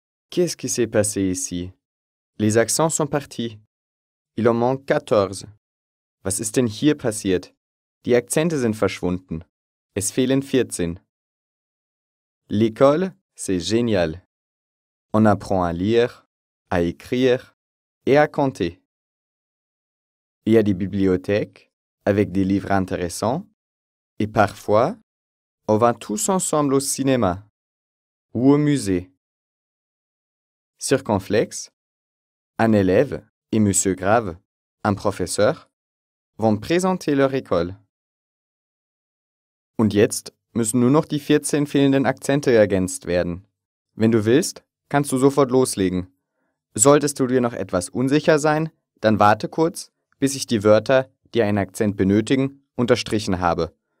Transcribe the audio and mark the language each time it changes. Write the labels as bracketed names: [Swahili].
[French] Qu'est-ce qui s'est passé ici? Les accents sont partis. Il en manque 14. [German] Was ist denn hier passiert? Die Akzente sind verschwunden. Es fehlen 14. [French] L'école, c'est génial. On apprend à lire, à écrire et à compter. Il y a des bibliothèques avec des livres intéressants. Et parfois, on va tous ensemble au cinéma ou au musée. Circonflex, un élève et Monsieur Grave, un professeur, vont présenter leur école. [German] Und jetzt müssen nur noch die 14 fehlenden Akzente ergänzt werden. Wenn du willst, kannst du sofort loslegen. Solltest du dir noch etwas unsicher sein, dann warte kurz, bis ich die Wörter, die einen Akzent benötigen, unterstrichen habe.